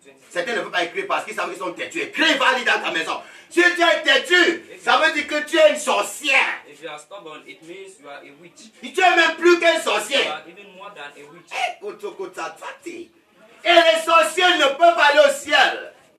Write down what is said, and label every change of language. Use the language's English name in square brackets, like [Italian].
[French] Certains ne peuvent pas écrire parce qu'ils savent qu'ils sont têtus. Écris vali dans ta maison. Si tu es têtu, ça veut dire que tu es une sorcière. [English] If you are stubborn, it means you are a witch. [French] Tu es même plus qu'un sorcier. [English] You are even more than a witch. [French] Et les sorciers ne peuvent pas aller au ciel.